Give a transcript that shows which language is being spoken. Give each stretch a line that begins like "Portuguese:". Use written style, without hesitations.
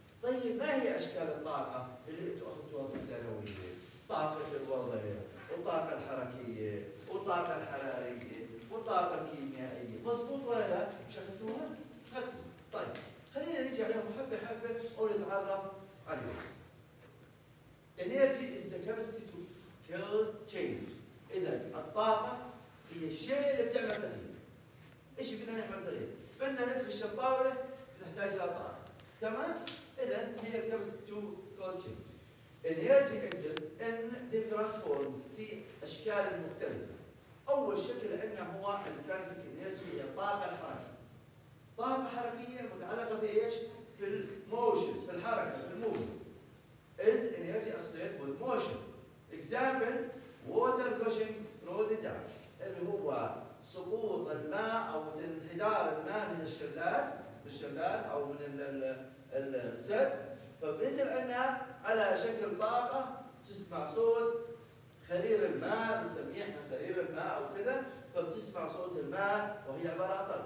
Arabic: طيب ما هي أشكال الطاقة اللي تأخذها في الثانوية؟ طاقة الوضعية، والطاقة الحركية، والطاقة الحرارية، والطاقة الكيميائية. مصبوط ولا لا؟ شفتوها؟ طيب خلينا نرجع لهم حبة حبة ونتعرف عليهم.
English: Energy is the capacity to cause change.
Arabic: إذا الطاقة هي الشيء اللي بتعمل تغيير. إيش بدنا نعمل تغيير؟ بدنا نتفش الطاولة، نحتاج إلى طاقة. تمام؟ إذا هي
English: the capacity to cause change. Energy exists in different forms،
Arabic: في أشكال مختلفة. أول شكل عندنا هو الكينيتيك إنرجي، هي الطاقة الحركية. طاقة حركية متعلقة في إيش؟ بالموشن، في الحركة، في الموشن.
English: Is energy associated with motion. Example: water gushing through the dam.
Arabic: اللي هو سقوط الماء أو انحدار الماء من الشلال، بالشلال أو من السد. فبنزل عنا على شكل طاقة تسمع صوت خرير الماء، بنسميها خرير الماء أو كذا، فبتسمع صوت الماء وهي عبارة عن طاقة.